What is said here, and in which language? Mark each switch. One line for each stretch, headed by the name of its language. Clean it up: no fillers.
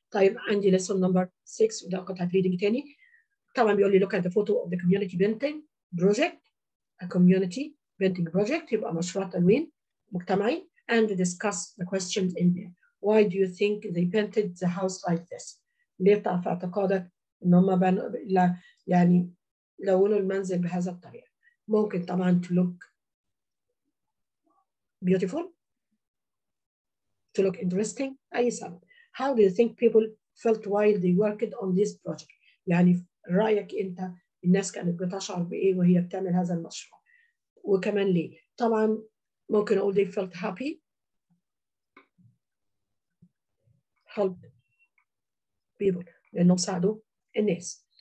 Arabic: طيب عندي
English: lesson number 6
Arabic: وده قطعة
English: reading تاني.
Arabic: طبعا بيقول لي
English: look at the photo of the community painting project. A community painting project
Arabic: يبقى مشروع تلوين مجتمعي.
English: And discuss the questions in there. Why do you think they painted the house like this?
Arabic: ليه تعرف اعتقادك ان هم يعني لونوا المنزل بهذا الطريقة؟ ممكن طبعا
English: to look beautiful, to look interesting,
Arabic: اي سبب.
English: How do you think people felt while they worked on this project?
Arabic: يعني رايك انت الناس كانت بتشعر بايه وهي بتعمل هذا المشروع؟ وكمان لي. طبعا ممكن اقول
English: they felt happy. Help people
Arabic: لأنه ساعدوا الناس.